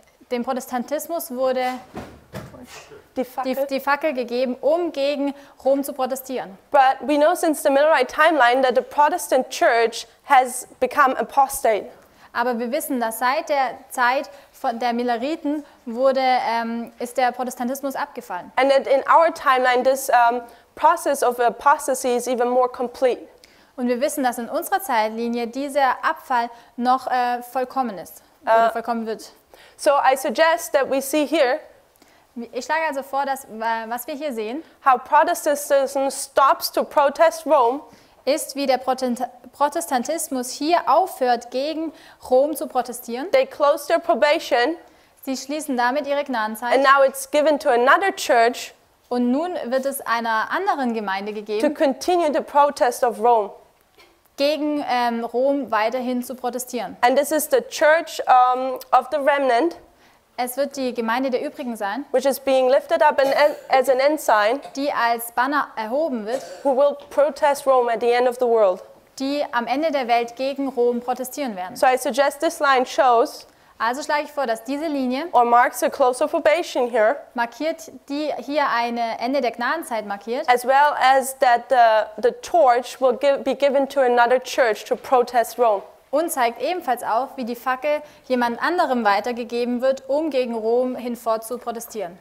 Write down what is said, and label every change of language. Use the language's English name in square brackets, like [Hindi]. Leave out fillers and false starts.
[German] Dem Protestantismus wurde die Fackel gegeben, um gegen Rom zu protestieren. [English] But we know since the Millerite timeline that the Protestant Church has become apostate. [German] Aber wir wissen, dass seit der Zeit von der Milleriten wurde ist der Protestantismus abgefallen. [English] And that in our timeline this process of apostasy is even more complete. [German] Und wir wissen, dass in unserer Zeitlinie dieser Abfall noch vollkommen ist oder vollkommen wird. [English] So I suggest that we see here. [German] Ich schlage also vor, dass was wir hier sehen, [English] how Protestantism stops to protest Rome, [German] ist, wie der Protestantismus hier aufhört, gegen Rom zu protestieren. [English] They close their probation. [German] Sie schließen damit ihre Gnadenzeit. [English] And now it's given to another church. [German] Und nun wird es einer anderen Gemeinde gegeben, [English] to continue the protest of Rome. [German] Gegen Rom weiterhin zu protestieren. [English] And this is the church of the remnant. [German] Es wird die Gemeinde der Übrigen sein, [English] which is being lifted up as an ensign, [German] die als Banner erhoben wird, [English] who will protest Rome at the end of the world. [German] Die am Ende der Welt gegen Rom protestieren werden. [English] So I suggest this line shows. [German] Also schlage ich vor, dass diese Linie [English] or marks a close of probation here, [German] markiert, die hier eine Ende der Gnadenzeit markiert, [English] as well as that the torch will be given to another church to protest Rome. [German] Und zeigt ebenfalls auf, wie die Fackel jemand anderem weitergegeben wird, um gegen Rom hinfort zu protestieren.